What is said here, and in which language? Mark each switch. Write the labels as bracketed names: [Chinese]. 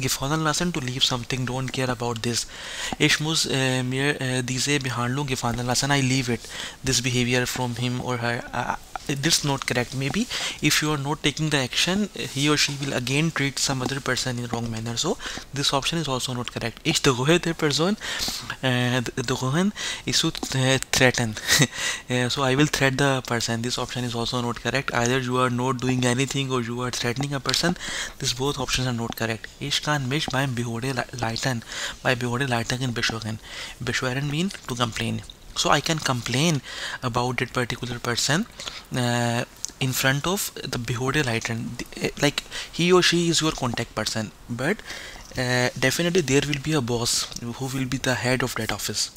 [German] Gefallen lassen, [English] to leave something, don't care about this. [German] Ich muss mir diese Behandlung gefallen lassen. [English] I leave it. This behavior from him or her. This is not correct. Maybe if you are not taking the action, he or she will again treat some other person in the wrong manner. So this option is also not correct. [German] Ich drohe der Person, drohen ist zu threaten. [English] So I will threat the person. This option is also not correct. Either you are not doing anything or you are threatening a person. These both options are not correct. [German] Ich kann mich beim Behörde leiten. Bei Behörde leiten beschweren. Beschweren [English] mean to complain. So I can complain about that particular person in front of the Behörde leiten, like he or she is your contact person, but definitely there will be a boss who will be the head of that office.